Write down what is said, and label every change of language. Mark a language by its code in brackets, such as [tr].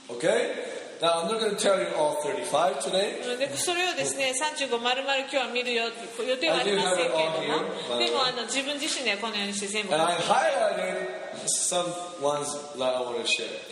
[en] Okay. Now I'm not going to tell you all 35 today. [ja] でそれをですね、35まるまる今日は見る予定はありませんけれども、でも自分自身でこのようにして全部。 [en] And I highlighted some ones that I want to share.